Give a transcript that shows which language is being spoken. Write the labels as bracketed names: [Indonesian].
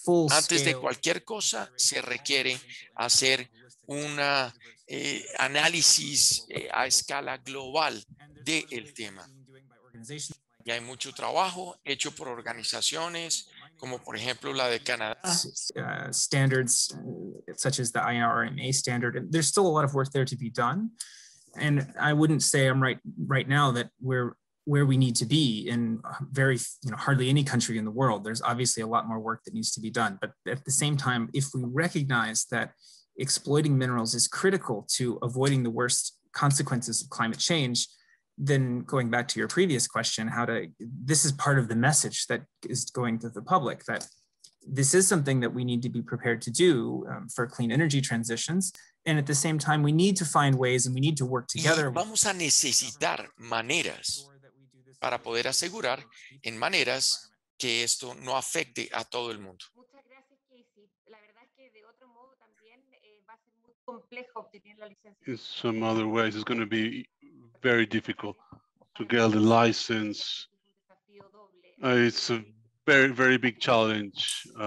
[Spanish] Antes de cualquier cosa se requiere hacer una análisis a escala global del tema. Y hay mucho trabajo hecho por organizaciones como, por ejemplo, la de Canadá. [English] Standards such as the IRMA standard. There's still a lot of work there to be done. And I wouldn't say I'm right now that we're where we need to be in very, you know, hardly any country in the world. There's obviously a lot more work that needs to be done. But at the same time, if we recognize that exploiting minerals is critical to avoiding the worst consequences of climate change, then going back to your previous question, this is part of the message that is going to the public, that this is something that we need to be prepared to do for clean energy transitions. And at the same time, we need to find ways and we need to work together. [Spanish] Vamos a necesitar maneras para poder asegurar en maneras que esto no afecte a todo el mundo. Muchas gracias, Casey. La verdad es que de otro modo también va a ser muy complejo obtener la licencia. [English] In some other ways, it's going to be very difficult to get the license. It's a very, very big challenge.